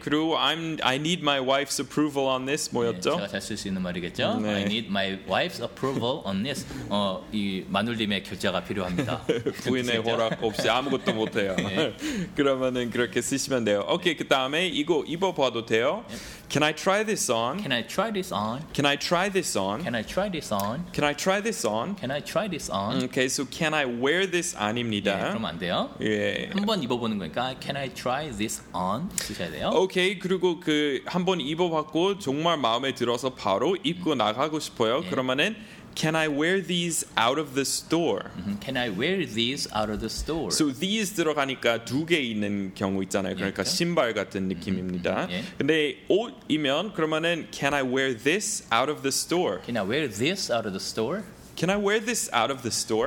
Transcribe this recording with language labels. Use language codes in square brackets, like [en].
[ko] 그리고 [en] I need my wife's approval on this. [ko] 뭐였죠? 네, 제가 잘 쓸 수 있는 말이겠죠? [en] 네. I need my wife's approval on this. [ko] 이 마눌님의 결재가 필요합니다. 부인의 허락 없이 아무것도 못해요. 네. 그러면은 그렇게 쓰시면 돼요. 오케이. 그 다음에 이거 입어봐도 돼요. [en] 네. Can I try this on? Can I try this on? Can I try this on? Can I try this on? Can I try this on? Can I try this on? Okay, so can I wear this [ko] 아닙니다. 예, 그럼 안 돼요. 예. 한번 입어보는 거니까 [en] Can I try this on? [ko] 쓰셔야 돼요. 오케이, 그리고 그 한번 입어봤고 정말 마음에 들어서 바로 입고 나가고 싶어요. 예. 그러면은 [en] Can I wear these out of the store? Can I wear these out of the store? [ko] So these 들어가니까 두 개 있는 경우 있잖아요. 그러니까 yeah, 신발 같은 느낌입니다. Yeah. 근데 옷이면 그러면은 [en] Can I wear this out of the store? Can I wear this out of the store? Can I wear this out of the store?